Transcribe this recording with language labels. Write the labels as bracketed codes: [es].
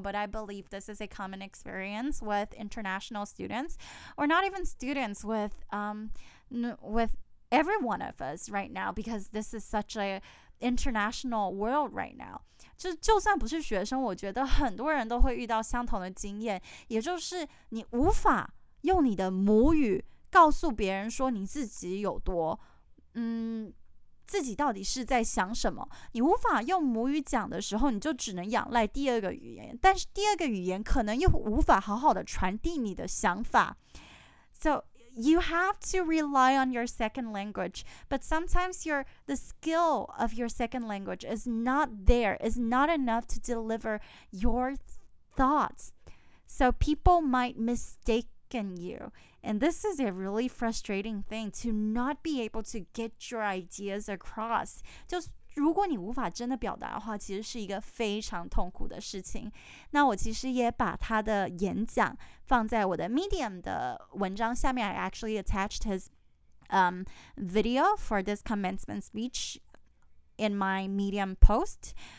[en] But I believe this is a common experience with international students, or not even students, with every one of us right now, because this is such an international world right now. [zh] 就算不是学生，我觉得很多人都会遇到相同的经验，也就是你无法用你的母语告诉别人说你自己有多自己到底是在想什么。你无法用母语讲的时候，你就只能仰赖第二个语言，但是第二个语言可能又无法好好的传递你的想法。 [en] So you have to rely on your second language, but sometimes the skill of your second language is not there, is not enough to deliver your thoughts. So people might mistaken you. And this is a really frustrating thing to not be able to get your ideas across. [zh] 就如果你无法真的表达的话，其实是一个非常痛苦的事情。那我其实也把他的演讲放在我的 Medium 的文章下面。 [en] I actually attached his video for this commencement speech in my Medium post.